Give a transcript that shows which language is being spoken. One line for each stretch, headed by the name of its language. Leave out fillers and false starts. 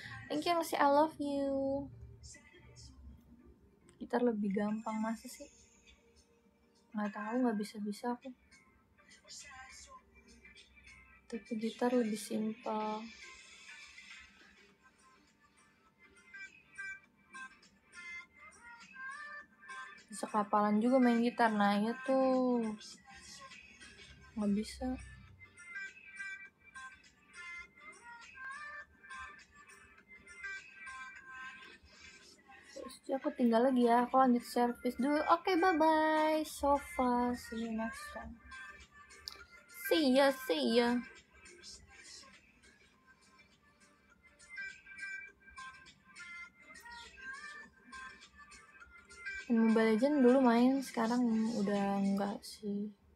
English: Thank you,
Indonesian: masih
English: I love you.
Indonesian: Gitar lebih gampang, masa sih? Gak tahu, gak bisa-bisa aku. Tapi gitar lebih simple. Bisa kapalan juga main gitar, nah ya tuh nggak bisa. Terus aku tinggal lagi ya, aku lanjut servis dulu.
English: Okay, bye bye sofa, see you next time, see ya.
Indonesian: Main Mobile Legends dulu main, sekarang udah enggak sih.